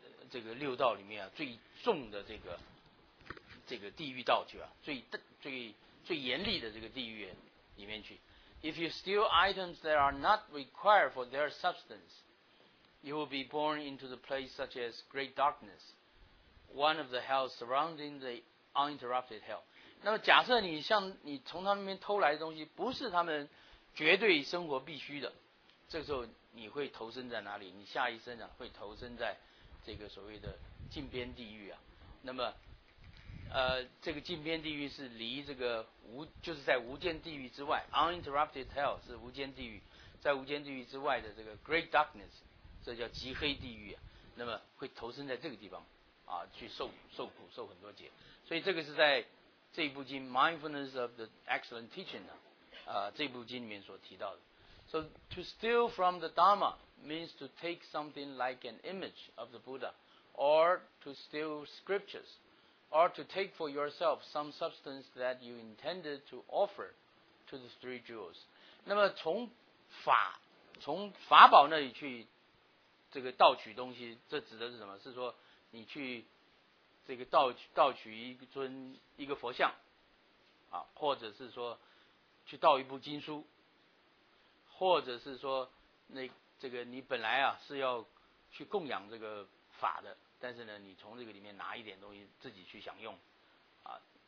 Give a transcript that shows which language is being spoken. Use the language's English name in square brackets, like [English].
[Chinese] 这个六道里面啊，最重的这个地狱道去啊，最严厉的这个地狱里面去。 [English] If you steal items that are not required for their substance, you will be born into the place such as great darkness, one of the hells surrounding the uninterrupted hell. [Chinese] 那么假设你像你从他们那边偷来的东西不是他们绝对生活必须的，这个时候你会投身在哪里？你下一生啊会投身在。这个所谓的禁边地狱啊，那么这个禁边地狱是离这个就是在无间地狱之外 uninterrupted hell 是无间地狱，在无间地狱之外的这个 great darkness 这叫极黑地狱啊，那么会投身在这个地方啊，去受苦受很多劫。所以这个是在这部经 mindfulness of the excellent teaching 啊，这部经里面所提到的。 [English] So to steal from the DharmaMeans to take something like an image of the Buddha, or to steal scriptures, or to take for yourself some substance that you intended to offer to the three jewels. [Chinese] 那么从法宝那里去这个盗取东西，这指的是什么？是说你去这个盗取一个佛像，啊，或者是说去盗一部经书，或者是说这个你本来啊是要去供养这个法的，但是呢你从这个里面拿一点东西自己去享用啊，